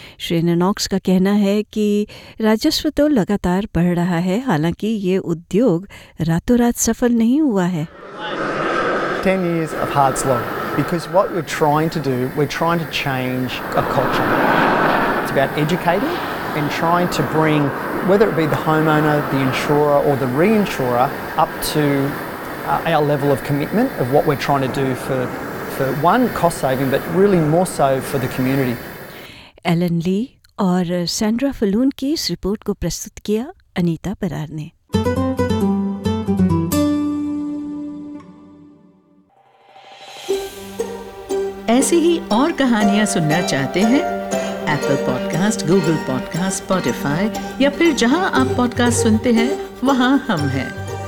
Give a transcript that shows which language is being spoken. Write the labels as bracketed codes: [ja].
[hi] श्री निनॉक्स का कहना है कि राजस्व तो लगातार बढ़ रहा है, हालांकि ये उद्योग रातों रात सफल नहीं हुआ है। [en] 10 years of hard slog, because what we're trying to do, we're trying to change a culture. It's about educating and trying to bring, whether it be the homeowner, the insurer or the reinsurer, up to our level of commitment of what we're trying to do for one, cost saving, but really more so for the community. [hi] Elon ली और Sandra फलून की इस report को प्रस्तुत किया अनीता परार ने। ऐसी ही और कहानियां सुनना चाहते हैं? Apple podcast, Google podcast, Spotify या फिर जहां आप पॉडकास्ट सुनते हैं वहां हम हैं।